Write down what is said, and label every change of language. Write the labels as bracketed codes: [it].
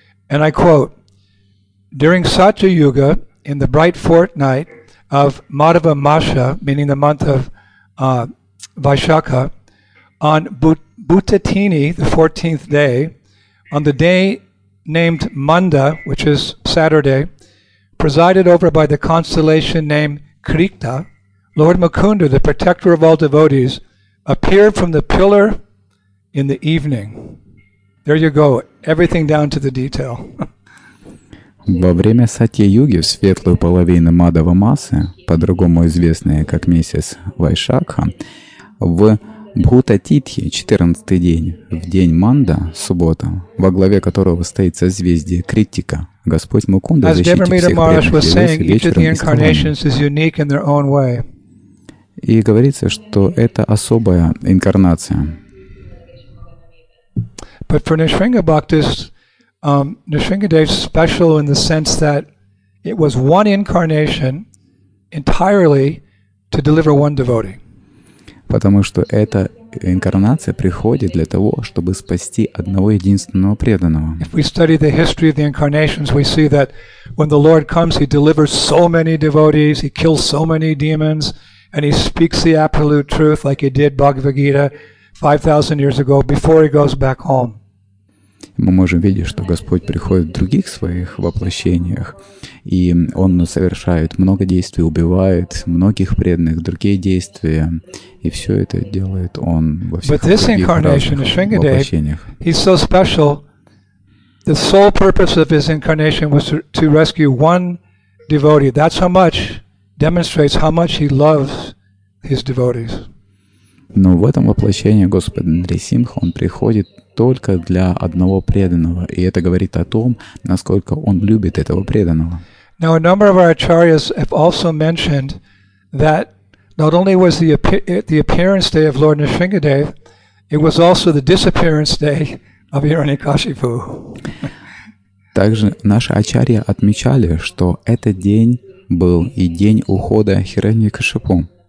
[en] And I quote, during Satya Yuga, in the bright fortnight of Madhava Masha, meaning the month of Vaishakha, on Bhutatini, the 14th day, on the day named Manda, which is Saturday, presided over by the constellation named Krita, Lord Mukunda, the protector of all devotees, appeared from the pillar in the evening. There you go, everything down to the detail. [ru] Во время Сатья-юги, в светлую половину Мадхава-масы, по-другому известная как месяц Вайшакха, в Бхута-титхи, 14-й день, в день Манда, суббота, во главе которого стоит созвездие Критика, Господь Мукунда защитит всех преданных вечером и скалами. И говорится, что это особая инкарнация. [en] But for Nrisimhabhaktis, Nrisimhadev is special in the sense that it was one incarnation entirely to deliver one devotee. [ru] Потому что это инкарнация приходит для того, чтобы спасти одного единственного преданного. [en] If we study the history of the incarnations, we see that when the Lord comes, He delivers so many devotees, He kills so many demons, and He speaks the absolute truth, like He did Bhagavad Gita 5,000 years ago, before He goes back home. [ru] Мы можем видеть, что Господь приходит в других своих воплощениях, и Он совершает много действий, убивает многих преданных, другие действия, и все это делает Он во всех других разных воплощениях. [en] He's so special. The sole purpose of His incarnation was to rescue one devotee. That's how much demonstrates how much He loves His devotees. [ru] Но в этом воплощении Господь Нарисимха, Он приходит только для одного преданного. И это говорит о том, насколько Он любит этого преданного. [en] Now, a number of our acharyas have also mentioned that not only was the appearance day of Lord Nrisimhadev, it was also the disappearance day of Hiranyakashipu. [ru] Также наши ачарьи отмечали, что этот день был и день ухода Хираньякашипу.